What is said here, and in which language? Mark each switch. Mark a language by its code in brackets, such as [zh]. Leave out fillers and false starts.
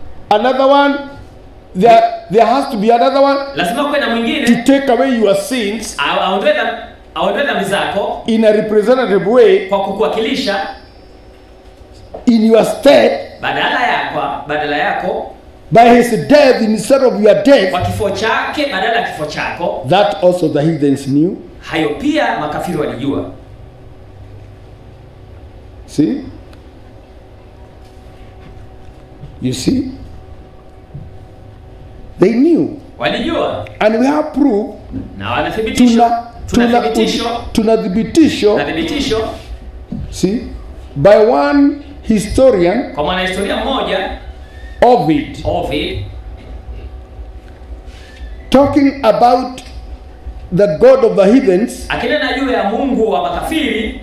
[en] Another one there has to be another one. [sw] Lazima kuwe na mwingine [en] to take away your sins. [sw] Aondoe dhambi zako [en] in a representative way, [sw] kwa kukuwakilisha [en] in your stead, [sw] badala yako [en] by his death instead of your death, [sw] kwa kifo chake badala ya kifo chako. [en] That also the heathens knew. [sw] Hayo pia makafiri walijua. [en] You see they knew. [sw] Walijua. [en] And we have proof. [sw] Na wanathibitisha. Tunathibitisho. [en] See? By one historian. [sw] Kwa mwana historia mmoja. [en] Ovid. Talking about the God of the heathens. [sw] Akinena juu ya Mungu wa makafiri.